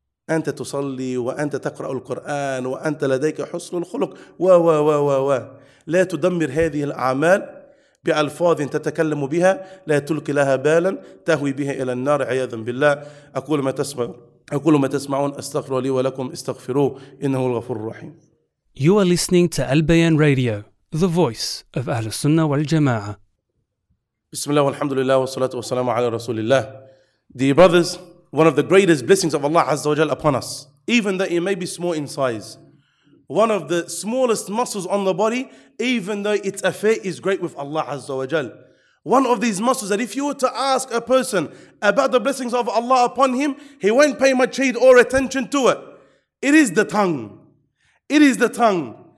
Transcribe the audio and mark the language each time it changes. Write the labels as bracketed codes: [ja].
[ar] أنت تصلي وأنت تقرأ القرآن وأنت لديك حسن الخلق و و و و و، لا تدمر هذه الأعمال بألفاظ تتكلم بها، لا تلقي لها بالا، تهوي بها إلى النار عياذا بالله. أقول ما تسمعون استغفر لي ولكم، استغفروه إنه الغفور الرحيم. [en] You are listening to Al Bayan Radio, the voice of [ar] أهل السنة والجماعة. بسم الله والحمد لله والصلاة والسلام على رسول الله. [en] Dear brothers, one of the greatest blessings of Allah Azza wa Jalla upon us, even though it may be small in size, one of the smallest muscles on the body, even though its effect is great with Allah Azza wa Jalla. One of these muscles that if you were to ask a person about the blessings of Allah upon him, he won't pay much heed or attention to it. It is the tongue. It is the tongue.